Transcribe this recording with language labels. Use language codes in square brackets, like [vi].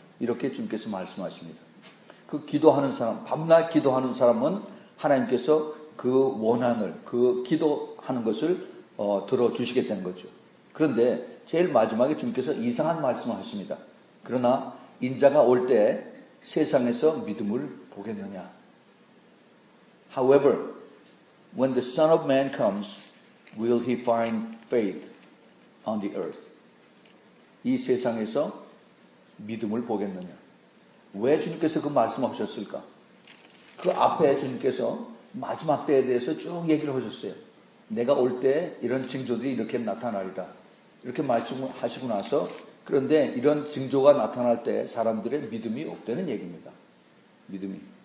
[ko] 이렇게 주님께서 말씀하십니다. 그 기도하는 사람, 밤낮 기도하는 사람은 하나님께서 그 원한을, 그 기도하는 것을 들어주시게 된 거죠. 그런데 제일 마지막에 주님께서 이상한 말씀을 하십니다. 그러나 인자가 올 때 세상에서 믿음을 보겠느냐. [en] However, when the Son of Man comes, will he find faith on the earth? [ko] 이 세상에서 믿음을 보겠느냐. 왜 주님께서 그 말씀을 하셨을까? 그 앞에 주님께서 마지막 때에 대해서 쭉 얘기를 하셨어요. 내가 올 때 이런 징조들이 이렇게 나타나리다. 이렇게 말씀하시고 나서 그런데 이런 징조가 나타날 때 사람들의 믿음이 없다는 얘기입니다. 믿음이.